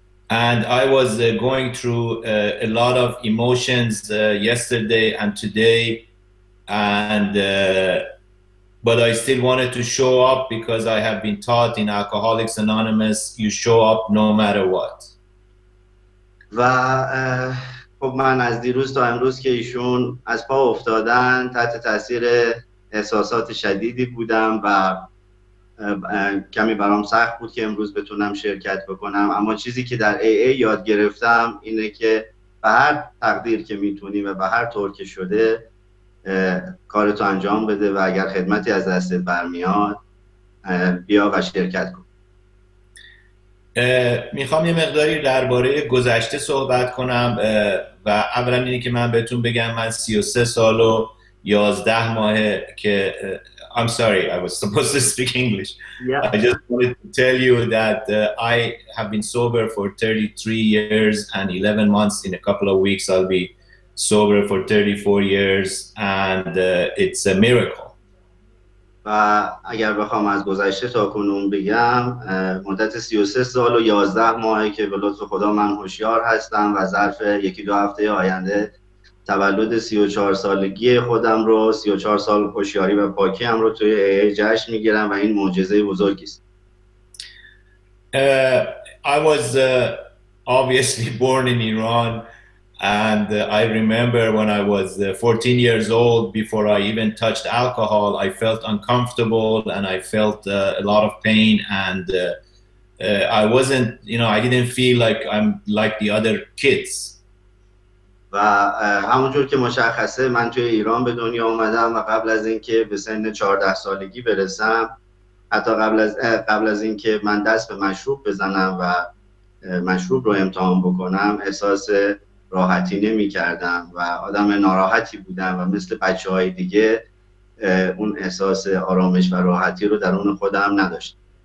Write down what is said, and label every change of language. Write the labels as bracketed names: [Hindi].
[English] And I was going through a lot of emotions yesterday and today. And but I still wanted to show up because I have been taught in Alcoholics Anonymous, you show up no matter what. [Persian] و خب من از دیروز تا امروز که ایشون از پا افتادن تحت تاثیر احساسات شدیدی بودم و کمی برام سخت بود که امروز بتونم شرکت بکنم، اما چیزی که در AA یاد گرفتم اینه که به هر تقدیر که میتونی و به هر طور که شده کارتو انجام بده و اگر خدمتی از دستت برمیاد بیا و شرکت کن. میخوام یه مقداری درباره گذشته صحبت کنم و اولا اینی که من بهتون بگم من 33 سال و 11 ماه که [English] I'm sorry, I was supposed to speak English. Yeah. I just wanted to tell you that I have been sober for 33 years and 11 months. In a couple of weeks I'll be sober for 34 years and it's a miracle. [Persian] و اگر بخوام از گذشته تا کنون بگم مدت 33 سال و 11 ماهه که به لطف خدا من هوشیار هستم و ظرف یکی دو هفته آینده تولد 34 سالگی خودم رو 34 سال هوشیاری و پاکی هم رو توی AA جشن میگیرم و این معجزه بزرگی است. [English] I was obviously born in Iran And I remember when I was 14 years old, before I even touched alcohol, I felt uncomfortable and I felt a lot of pain. And I wasn't, you know, I didn't feel like I'm like the other kids. [Persian] و همونجور که مشخصه من توی ایران به دنیا اومدم و قبل از اینکه به سن 14 سالگی برسم حتی قبل از اینکه من دست به مشروب بزنم و مشروب رو امتحان بکنم احساس راحتی نمی کردم و آدم ناراحتی بودم و مثل بچه های دیگه اون احساس آرامش و راحتی رو درون خودم نداشتم.